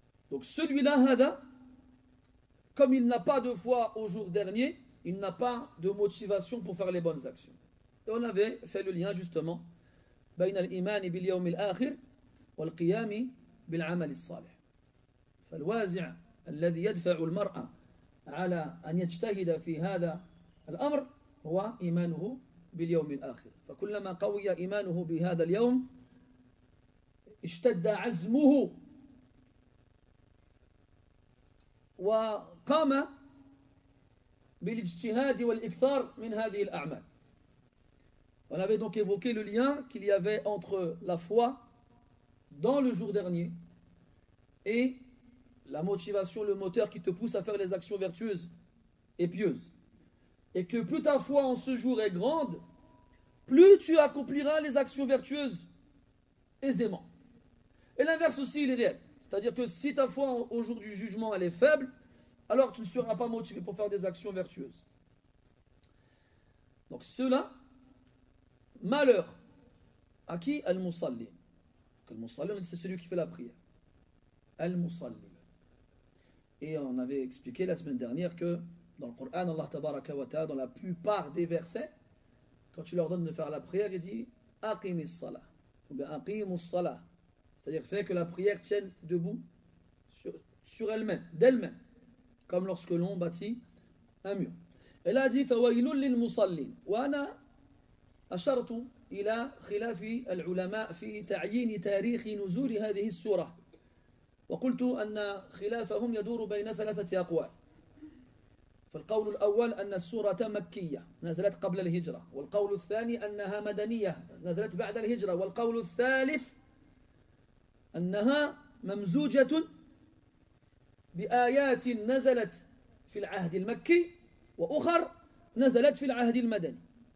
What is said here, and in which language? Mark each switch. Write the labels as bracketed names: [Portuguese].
[French] Donc celui-là, Hada, comme il n'a pas de foi au jour dernier, il n'a pas de motivation pour faire les bonnes actions. Et on avait fait le lien justement [Arabic] بين الإيمان باليوم الآخر والقيام بالعمل الصالح. فالوازع الذي يدفع المرء على أن يجتهد في هذا الأمر هو إيمانه باليوم الآخر. فكلما قوي إيمانه بهذا اليوم اشتد عزمه وقام بالاجتهاد والإكثار من هذه الأعمال. [French] On avait donc évoqué le lien qu'il y avait entre la foi dans le jour dernier et la motivation, le moteur qui te pousse à faire les actions vertueuses et pieuses. Et que plus ta foi en ce jour est grande, plus tu accompliras les actions vertueuses aisément. Et l'inverse aussi, il est réel. C'est-à-dire que si ta foi au jour du jugement elle est faible, alors tu ne seras pas motivé pour faire des actions vertueuses. Donc cela... Malheur à qui? Al-Musalli, c'est celui qui fait la prière. Al-Musalli. Et on avait expliqué la semaine dernière que dans le Coran, Allah Tabaraka wa Ta'ala, dans la plupart des versets, quand tu leur donnes de faire la prière, il dit Aqimis Salah. Ou bien Aqimus Salah. C'est-à-dire, fait que la prière tienne debout sur elle-même, d'elle-même. Comme lorsque l'on bâtit un mur. Et là, il dit Fawailul lil-Musallin. Wana. [Arabic] أشرت إلى خلاف العلماء في تعيين تاريخ نزول هذه السورة وقلت أن خلافهم يدور بين ثلاثة أقوال فالقول الأول أن السورة مكية نزلت قبل الهجرة والقول الثاني أنها مدنية نزلت بعد الهجرة والقول الثالث أنها ممزوجة بآيات نزلت في العهد المكي وأخر نزلت في العهد المدني